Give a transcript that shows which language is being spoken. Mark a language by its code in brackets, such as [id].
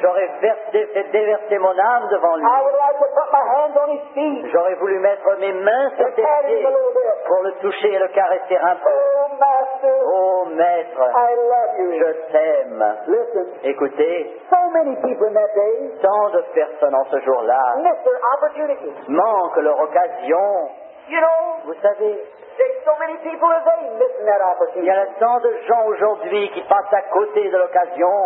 [fr] J'aurais déversé mon âme devant lui. [en] I would like to put my hands on his feet. [fr] J'aurais voulu mettre mes mains sur ses pieds pour le toucher et le caresser un peu. [en] Oh, master, [fr] oh maître, [en] I love you. [fr] Je t'aime. [en] Listen. [fr] Écoutez, [en] so many people in that day. [fr] Tant de personnes en ce jour-là manquent leur occasion. [en] You know, [fr] vous savez, [en] so many people today missing that opportunity. [fr] Il y a tant de gens aujourd'hui qui passent à côté de l'occasion.